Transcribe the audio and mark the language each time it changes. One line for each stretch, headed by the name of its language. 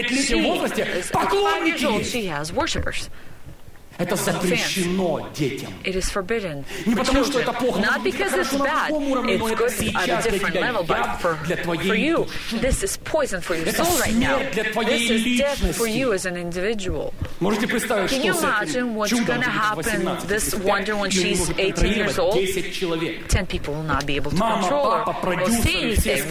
English: She has worshippers.
Russian: Это запрещено детям.
English: It is forbidden.
Russian: Не потому что это плохо.
English: Not because it's bad. It's good at a different level, but for you, this is poison for your soul right now. This is death for you as an individual.
Russian: Можете представить, что с этим чудом
English: what's going to happen? This wonder when she's 18 years old. 10 people will not be able to control her.